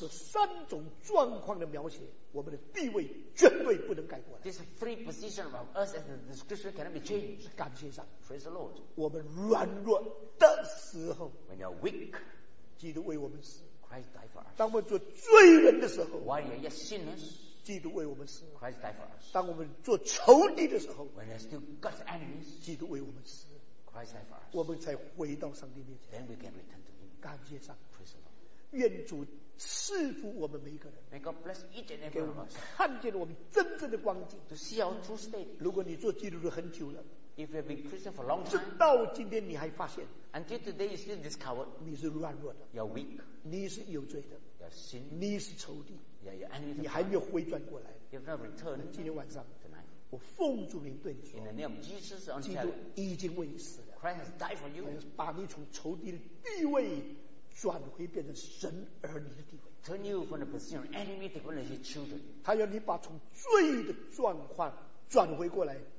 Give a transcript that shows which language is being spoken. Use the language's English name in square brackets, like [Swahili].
[Chinese] 这三种状况的描写, 我们的地位绝对不能改过来, [English] this free position of us as the description cannot be changed. [Chinese] 感谢上帝, [English] praise the Lord. [Chinese] 我们软弱的时候, [English] when you are weak, [Chinese] 基督为我们死, [English] Christ died for us. [Chinese] 当我们做罪人的时候, [English] while you are yet sinners, [Chinese] 基督为我们死, [English] Christ died for us. [Chinese] 当我们做仇敌的时候, [English] when you are still God's enemies, [Chinese] 基督为我们死, [English] Christ died for us. [Chinese] 我们才回到上帝面前, [English] then we can return to him. [Chinese] 感谢上帝, [English] praise the Lord. [Chinese] 愿主赐福我们每一个人, [English] may God bless each and every one of us. [Chinese] 给我们看见我们真正的光景, [English] to see our true state. [Chinese] 如果你做基督徒很久了, [English] if you have been Christian for a long time, [Chinese] 直到今天你还发现, [English] until today you still discovered, [Chinese] 你是软弱的, [English] you're weak, [Chinese] 你是有罪的, [English] you're sin, [Chinese] 你是仇敌, [English] yeah, you're enemy, [Chinese] 你还没有回转过来, [English] you've not returned. [Chinese] 今天晚上, [English] tonight, [Chinese] 我奉主名对你说, [English] in the name of Jesus, [Chinese] 基督已经为你死了, [English] Christ has died for you, [Chinese] 把你从仇敌的地位转回变成神儿女的地位, [English] turn you from the position of enemy to one of your children. [Chinese] 他要你把从罪的状况转回过来,